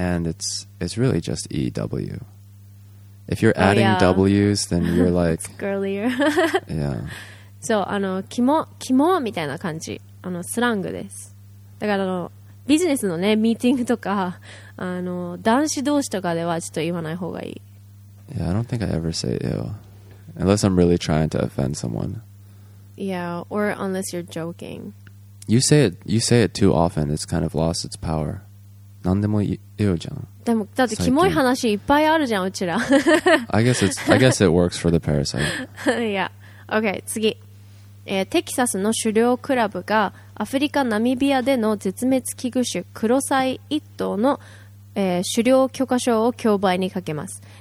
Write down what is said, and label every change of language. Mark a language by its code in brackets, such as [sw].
[en] And it's really just EW. If you're adding W's, then you're like it's girlier. Yeah. [ja] そう、キモみたいな感じ、スラングです。だからビジネスのね、ミーティングとか、男子同士とかではちょっと言わない方がいい。 [en] Yeah, I don't think I ever say ew. Unless I'm really trying to offend someone. Yeah, or unless you're joking. You say it too often, it's kind of lost its power. [ja] なんでも ew じゃん。でも、だってキモい話いっぱいあるじゃん、うちら。 [en] I guess it works for the parasite. Yeah. Okay, [ja] 次。テキサスの狩猟クラブがアフリカナミビアでの絶滅危惧種クロサイ一頭の、狩猟許可証を競売にかけます。